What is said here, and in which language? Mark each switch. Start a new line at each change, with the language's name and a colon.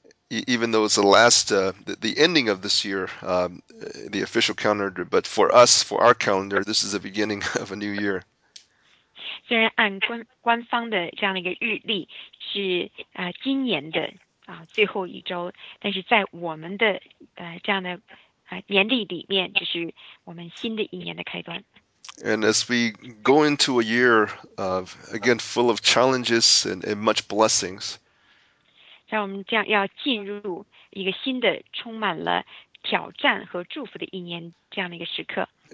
English: Even though it's the last, the ending of this year, the official calendar, but for us, for our calendar, this is the beginning of a new year.
Chinese: 虽然按官方的这样的一个日历是今年的最后一周，但是在我们的这样的年历里面，就是我们新的一年的开端。
English: And as we go into a year of again full of challenges and much blessings.
Chinese: 在我们这样要进入一个新的、充满了挑战和祝福的一年这样的一个时刻。